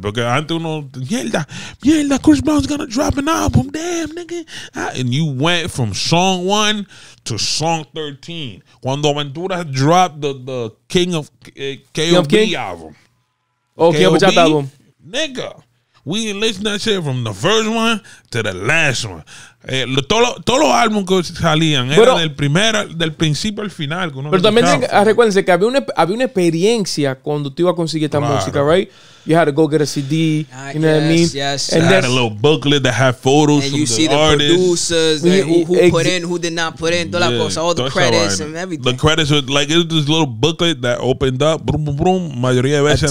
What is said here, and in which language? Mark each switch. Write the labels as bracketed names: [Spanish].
[Spanish] Porque antes uno, mierda, [English] Chris Brown's gonna drop an album, damn, nigga. And you went from song 1 to song 13. Cuando Ventura dropped the King of K.O.B. album. Oh, K.O.B. album. Nigga, we listened to that shit from the first one to the last one. [Spanish] Todos los álbumes que salían eran del principio al final. Pero también recuérdense que había una experiencia cuando tú ibas a conseguir esta música, right? [English] You had to go get a CD, you know what I mean? Yes, and I had a little booklet that had photos from the artists. And you see the producers, who put in, who did not put in, all the credits and everything. The credits, were, like, it was this little booklet that opened up, brum, [Spanish] mayoría de veces.